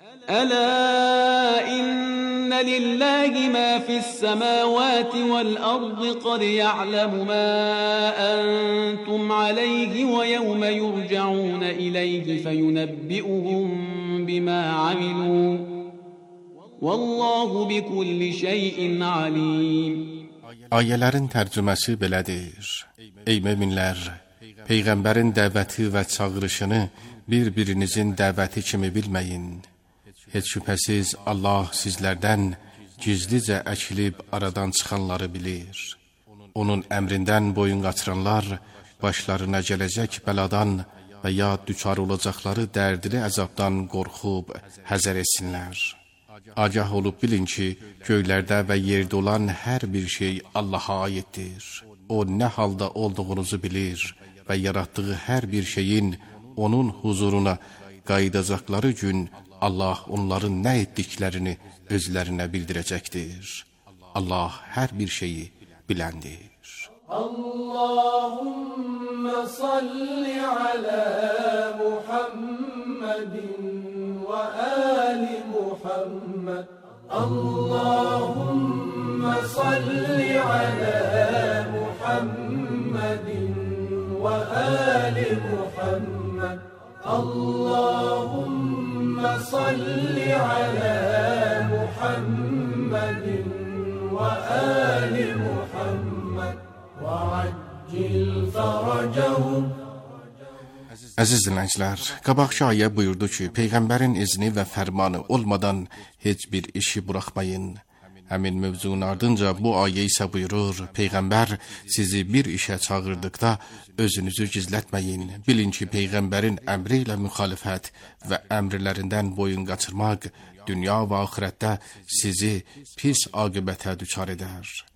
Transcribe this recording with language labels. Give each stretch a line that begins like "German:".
Arabic: أَلَا إِنَّ لِلَّهِ مَا فِي السَّمَاوَاتِ وَالْأَرْضِ قَدْ يَعْلَمُ مَا أَنْتُمْ عَلَيْهِ وَيَوْمَ يُرْجَعُونَ إِلَيْهِ فَيُنَبِّئُهُمْ بِمَا عَمِلُوا Vallahu bi kulli şeyin alim.
Azerbaijani: Ayələrin tərcüməsi belədir. Ey möminlər, peyğəmbərin dəvəti və çağırışını bir-birinizin dəvəti kimi bilməyin. Heç şübhəsiz Allah sizlərdən gizlicə əkilib aradan çıxanları bilir. Onun əmrindən boyun qaçıranlar başlarına gələcək bəladan və ya düçar olacaqları dərdli əzabdan qorxub həzər etsinlər. Agah olub bilin ki, göylərdə və yerdə olan hər bir şey Allaha aiddir. O nə halda olduğunuzu bilir və yaratdığı hər bir şeyin onun huzuruna qayıdacaqları gün Allah onların nə etdiklərini özlərinə bildirəcəkdir. Allah hər bir şeyi biləndir.
Arabic: Allahümme salli ala Muhammedin və əli اللهم صل على محمد وآل محمد اللهم صل على محمد وآل محمد وعجل فرجه.
Azerbaijani: Əziz dinləyicilər, qabaqçı ayə buyurdu ki, Peyğəmbərin izni və fərmanı olmadan heç bir işi buraxmayın. Həmin mövzunun ardınca bu ayə isə buyurur, Peyğəmbər sizi bir işə çağırdıqda özünüzü gizlətməyin. Bilin ki, Peyğəmbərin əmri ilə müxalifət və əmrlərindən boyun qaçırmaq dünya və axirətdə sizi pis aqibətə düçar edər.